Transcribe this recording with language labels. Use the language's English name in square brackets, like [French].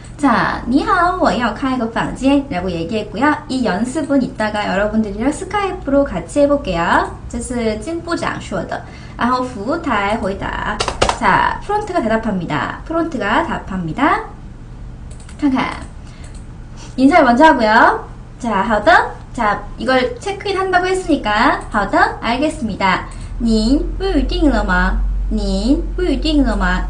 [Korean] 자, 니하오, [Chinese] 我要开个房间. [Korean] 라고 얘기했고요. 이 연습은 이따가 여러분들이랑 스카이프로 같이 해볼게요. [Chinese] 这是金部长说的.然后 服务台回答. [Korean] 자, 프론트가 대답합니다. 프론트가 답합니다. [Chinese] 看看. [Korean] 인사를 먼저 하고요. 자, [Chinese] 好的. [Korean] 자, 이걸 체크인 한다고 했으니까, [Chinese] 好的, [Korean] 알겠습니다. [Chinese] 您预定了吗?您预定了吗?